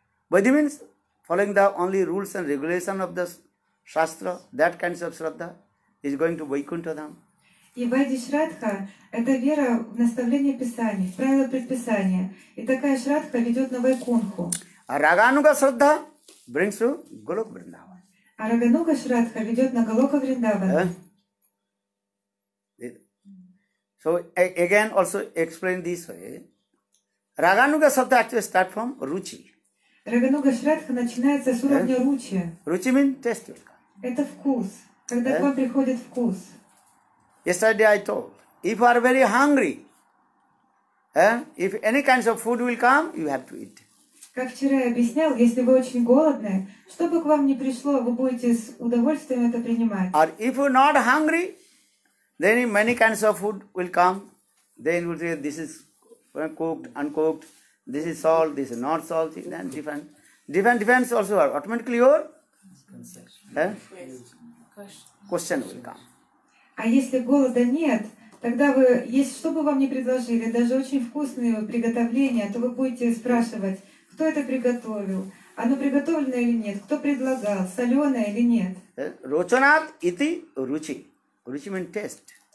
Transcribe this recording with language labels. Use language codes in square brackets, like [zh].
[en] Vaidhi means following the only rules and regulation of the Shastra, that kinds of Shraddha is going to Vaikuntha Dham. [ru] И Вайди Шраддха – это вера в наставление Писаний, в правила предписания. И такая Шраддха ведет на Вайкунху. А Рагануга Шраддха [en] brings to [ru] Голока Вриндава. А Рагануга Шраддха ведет на Голока Вриндава. [en] So again also explain this way. Рагануга Шраддха actually start from Ручи. [ru] Рагануга Шраддха начинается с уровня Ручи. [en] Ручи means taste. [ru] Это вкус. Когда к вам приходит вкус. [en] Yesterday I told, if you are very hungry, if any kinds of food will come, you have to eat. [ru] Как вчера я объяснял, если вы очень голодны, что бы к вам ни пришло, вы будете с удовольствием это принимать. [en] Or if you're not hungry, then if many kinds of food will come, then you will say, this is cooked, uncooked, this is salt, this is not salt, then different. Different also are automatically your question will come. [ru] А если голода нет, тогда вы, если что бы вам не предложили, даже очень вкусные приготовления, то вы будете спрашивать, кто это приготовил, оно приготовлено или нет, кто предлагал, соленое или нет. [sa] Рочанат ити ручи. Ручи [en] means taste.